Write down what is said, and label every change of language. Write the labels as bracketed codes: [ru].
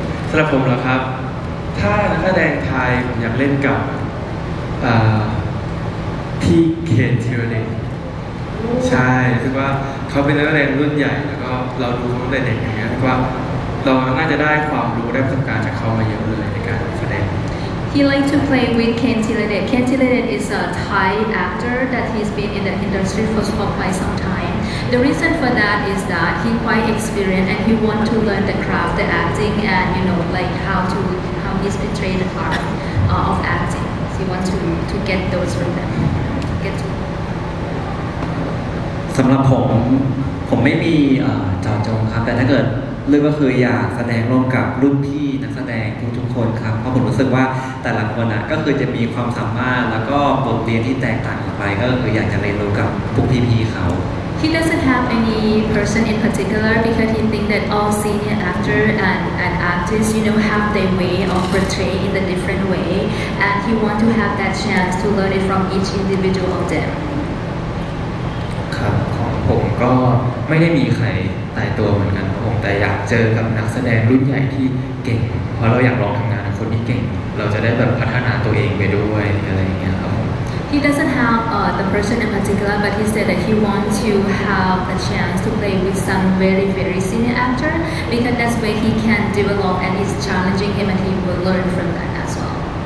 [th] สำหรับผมเหรอครับถ้านักแสดงไทยผมอยากเล่นกับพี่เคนทิวเลนใช่คือว่าเขาเป็นนักแสดงรุ่นใหญ่แล้วก็เราดูเขาตั้งแต่เด็กอย่างเงี้ยคือว่าเราน่าจะได้ความรู้ได้ประสบการณ์จากเขามาเยอะเลยในการแสดง [en] He likes to play with Ken Tilade. Ken Tilade is a Thai actor that he's been in the industry for quite some time. The reason for that is that he's quite experienced and he wants to learn the craft, the acting, and you know, like how he's portrayed the part of acting. So he wants to get those from them. [th] สำหรับผมไม่มีเจาะจงครับแต่ถ้าเกิดเรื่องก็คืออยากแสดงร่วมกับรุ่นพี่นักแสดงทุกคนครับเพราะผมรู้สึกว่าแต่ละคนก็คือจะมีความสามารถแล้วก็บทเรียนที่แตกต่างออกไปก็คืออยากจะเรียนรู้กับพวกพี่ๆเขา [en] He doesn't have any person in particular because he thinks that all senior actors and artists you know have their way of portraying in a different way and he want to have that chance to learn it from each individual of them [th] ครับของผมก็ไม่ได้มีใครตายตัวเหมือนกันผมแต่อยากเจอกับนักแสดงรุ่นใหญ่ที่เก่งเพราะเราอยากลองทำงานกับคนที่เก่งเราจะได้แบบพัฒนาตัวเองไปด้วยอะไรอย่างเงี้ยครับ [en] He doesn't have the person in particular but he said that he wants to have a chance to play with some very very senior actor because that's where he can develop and it's challenging him and he will learn from that as well